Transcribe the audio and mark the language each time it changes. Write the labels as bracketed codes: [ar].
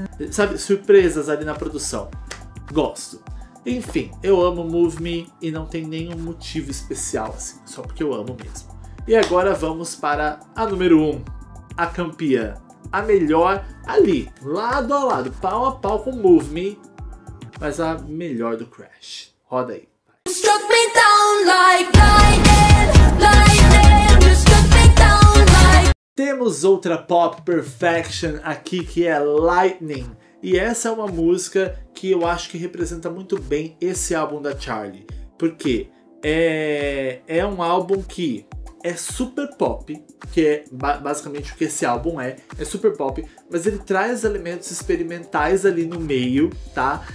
[pt] Sabe, surpresas ali na produção. Gosto. Enfim, eu amo Move Me e não tem nenhum motivo especial, assim. Só porque eu amo mesmo. E agora vamos para a número 1, a campeã. A melhor ali, lado a lado, pau a pau com Move Me. Mas a melhor do Crash. Roda aí. [en] Struck me down like lightning, struck me down like... [pt] Temos outra pop perfection aqui, que é Lightning. E essa é uma música que eu acho que representa muito bem esse álbum da Charlie. Porque é um álbum que é super pop, que é basicamente o que esse álbum é super pop, mas ele traz elementos experimentais ali no meio, tá?